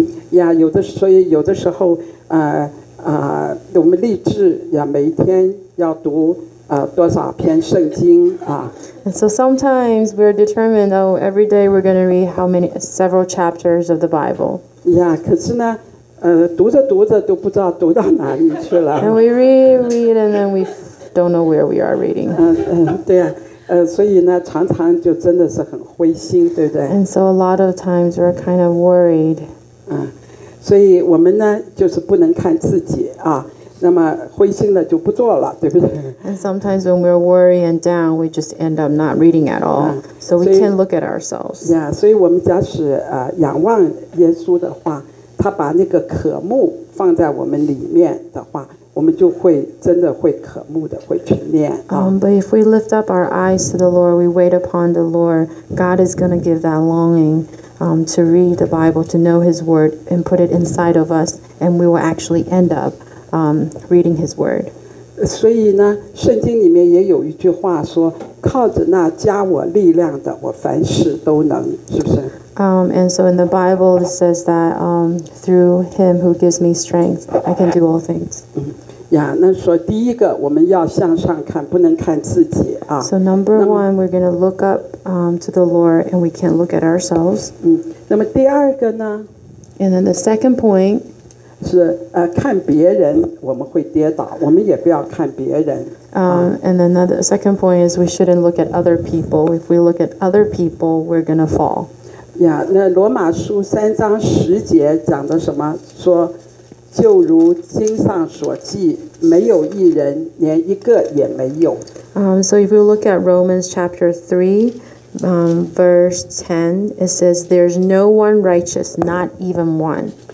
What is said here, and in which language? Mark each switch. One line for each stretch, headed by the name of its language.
Chinese: Yeah, 有的所以有的时候我们立志要每一天要读多少篇圣经啊。
English: And so sometimes we're determined, oh, every day we're going to read how many, several chapters of the Bible.
Chinese: Yeah, 可是呢，读着读着都不知道读到哪里去了。
English: And we read, and then we don't know where we are reading.
Chinese: 对啊，所以呢，常常就真的是很灰心，对不对？
English: And so a lot of times we're kind of worried.
Chinese: 所以我们呢，就是不能看自己啊。那么灰心了就不做了，对不对？
English: And sometimes when we're worried and down, we just end up not reading at all. So we can't look at ourselves.
Chinese: Yeah, 所以我们假使仰望耶稣的话，他把那个渴慕放在我们里面的话，我们就会真的会渴慕的，会去念。
English: But if we lift up our eyes to the Lord, we wait upon the Lord, God is going to give that longing, to read the Bible, to know His word, and put it inside of us, and we will actually end up. Reading His word.
Chinese: 所以呢，圣经里面也有一句话说，靠着那加我力量的，我凡事都能，是不是？
English: And so in the Bible it says that through Him who gives me strength, I can do all things.
Chinese: Yeah, 那说第一个我们要向上看，不能看自己啊。
English: So number one, we're going to look up, to the Lord, and we can't look at ourselves.
Chinese: 嗯，那么第二个呢？
English: And then the second point
Chinese: 是看别人，我们会跌倒，我们也不要看别人。
English: And then the second point is we shouldn't look at other people. If we look at other people, we're going to fall.
Chinese: Yeah, 那罗马书三章十节讲的什么？说就如经上所记，没有一人，连一个也没有。
English: So if we look at Romans chapter 3, verse 10, it says, there's no one righteous, not even one.